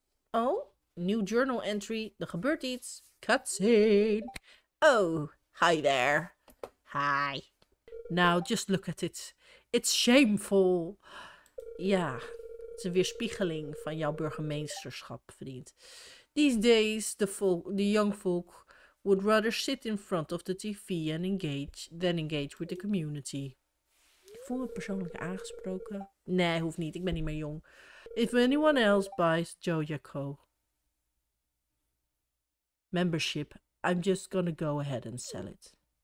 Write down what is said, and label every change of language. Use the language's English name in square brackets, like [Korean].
[Dutch] Oh, nieuw journal entry. Er gebeurt iets. Cutscene. [English] Oh, hi there. Hi. Now, just look at it. It's shameful. [Dutch] Ja, het is een weerspiegeling van jouw burgemeesterschap, vriend. [English] These days, the young folk would rather sit in front of the TV and engage than engage with the community. [Dutch] Ik voel me persoonlijk aangesproken. Nee, hoeft niet. Ik ben niet meer jong. [English] If anyone else buys Jojaco membership, I'm just gonna go ahead and sell it.